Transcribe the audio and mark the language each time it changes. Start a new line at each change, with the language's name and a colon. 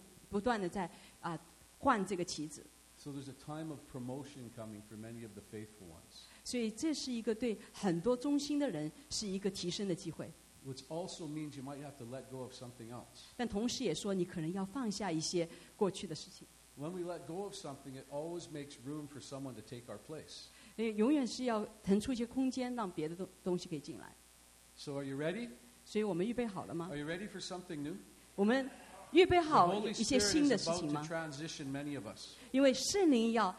Chinese: 所以好像就是在这个棋子上面，神在不断的在换这个棋子。
English: So there's a time of promotion coming for many of the faithful ones.
Chinese: 所以这是一个对很多忠心的人是一个提升的机会。
English: Which also means you might have to let go of something else.
Chinese: 但同时也说你可能要放下一些过去的事情。
English: When we let go of something, it always makes room for someone to take our place.
Chinese: 永远是要腾出一些空间让别的东西可以进来。
English: So are you ready?
Chinese: 所以我们预备好了吗?
English: Are you ready for something new?
Chinese: 我们预备好一些新的事情吗?
English: The Holy Spirit is about to transition many of us.